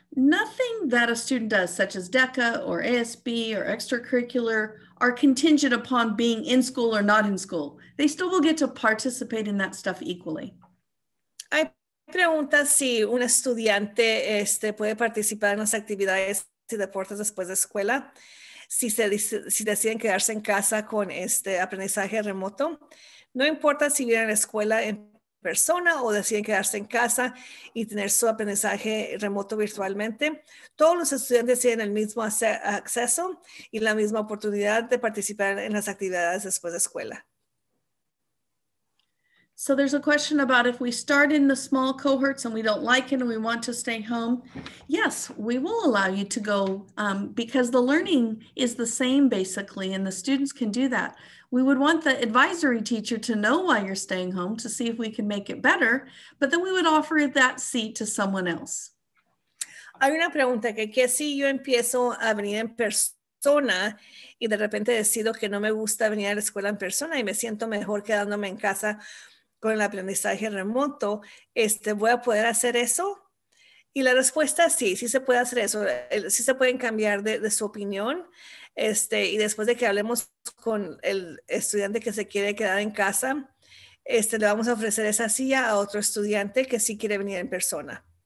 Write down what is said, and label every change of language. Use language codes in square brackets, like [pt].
[en] Nothing that a student does, such as DECA or ASB or extracurricular, are contingent upon being in school or not in school. They still will get to participate in that stuff equally. [es] Hay preguntas si un estudiante puede participar en las actividades y deportes después de escuela, si deciden quedarse en casa con aprendizaje remoto. No importa si vienen a la escuela en persona o deciden quedarse en casa y tener su aprendizaje remoto virtualmente. Todos los estudiantes tienen el mismo acceso y la misma oportunidad de participar en las actividades después de escuela. [en] So there's a question about if we start in the small cohorts and we don't like it and we want to stay home. Yes, we will allow you to go because the learning is the same basically and the students can do that. We would want the advisory teacher to know why you're staying home to see if we can make it better, but then we would offer that seat to someone else. [es] Hay una pregunta que si yo empiezo a venir en persona y de repente decido que no me gusta venir a la escuela en persona y me siento mejor quedándome en casa con el aprendizaje remoto, ¿voy a poder hacer eso? Y la respuesta es sí, sí se puede hacer eso, sí se pueden cambiar de su opinión, y después de que hablemos con el estudiante que se quiere quedar en casa, le vamos a ofrecer esa silla a otro estudiante que sí quiere venir en persona.